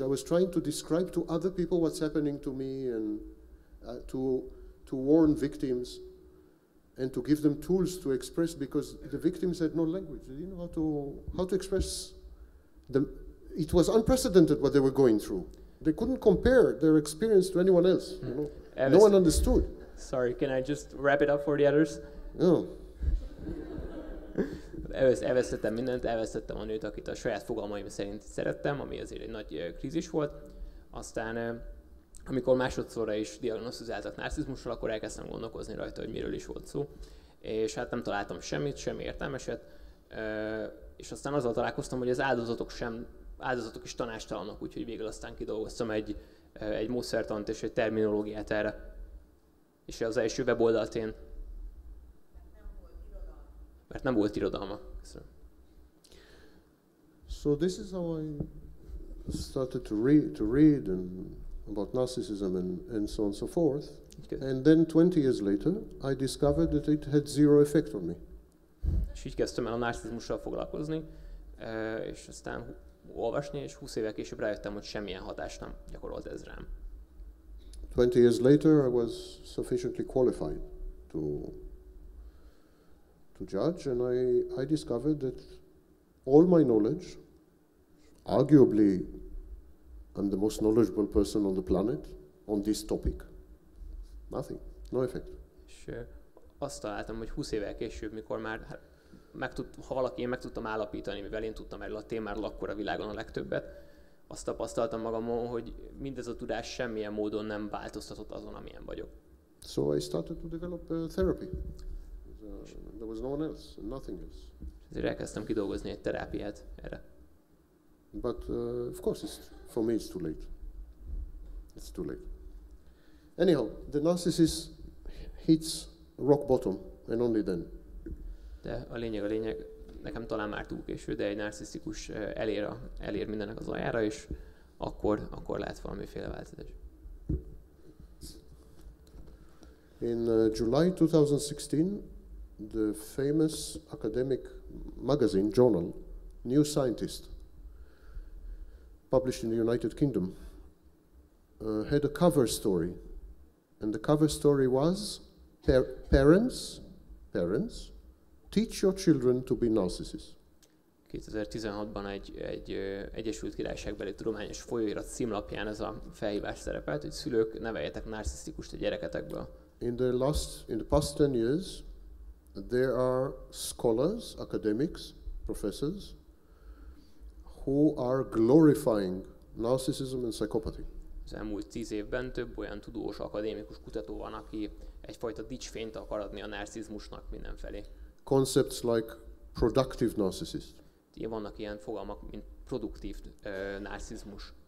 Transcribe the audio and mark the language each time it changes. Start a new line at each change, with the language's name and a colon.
English: I was trying to describe to other people what's happening to me and to warn victims and to give them tools to express, because the victims had no language. They didn't know how to express them. It was unprecedented what they were going through. They couldn't compare their experience to anyone else. You know? No one understood. Sorry, can I just wrap it up for the others? No.
Hungarian: Elvesztettem mindent, elvesztettem a nőt, akit a saját fogalmaim szerint szerettem, ami azért egy nagy krízis volt. Aztán, amikor másodszorra is diagnosztizáltak narcizmussal, akkor elkezdtem gondolkozni rajta, hogy miről is volt szó. És hát nem találtam semmit, semmi értelmeset. És aztán azzal találkoztam, hogy az áldozatok is tanástalanok, úgyhogy végül aztán kidolgoztam egy módszertant és egy terminológiát erre. És az első weboldalt én... Mert nem volt irodalma. Köszönöm.
English: So this is how I started to read and about narcissism and so on and so forth. Okay. And then 20 years later, I discovered that it had zero effect on me.
Hungarian: És így kezdtem el a narcizmussal foglalkozni, és aztán olvasni, és 20 évvel később rájöttem, hogy semmilyen hatást nem gyakorolt ez rám.
English: 20 years later, I was sufficiently qualified to judge, and I discovered that all my knowledge, arguably I'm the most knowledgeable person on the planet on this topic, nothing, no effect.
Hungarian: És azt találtam, hogy 20 évvel később, mikor már meg tudtam állapítani, mivel én tudtam erről a témáról akkor a világon a legtöbbet, azt tapasztaltam magamon, hogy mindez a tudás semmilyen módon nem változtatott azon, amilyen vagyok.
English: So I started to develop therapy. There was no one else, nothing else.
Hungarian: Ezért elkezdtem kidolgozni egy terápiát erre.
English: But of course, for me it's too late. It's too late. Anyhow, the narcissist hits rock bottom, and only then.
Hungarian: De a lényeg, nekem talán már túl késő, de egy narcisztikus elér mindennek az aljára, és akkor lehet valamiféle változás.
English: In July 2016, the famous academic magazine journal, New Scientist, published in the United Kingdom, had a cover story. And the cover story was, parents, teach your children to be narcissists.
Hungarian: 2016-ban Egyesült Királyságbeli tudományos folyóirat címlapján ez a felhívás szerepelt, hogy szülők, neveljetek narcisztikust a gyereketekből.
English: In the past 10 years, there are scholars, academics, professors who are glorifying narcissism and psychopathy.
Hungarian: Az elmúlt 10 évben több olyan tudós, akadémikus kutató van, aki egyfajta dicsfényt akar adni a narcizmusnak mindenfelé.
English: Concepts like productive narcissist.
Hungarian: Igen, vannak ilyen fogalmak, mint produktív narcizmus.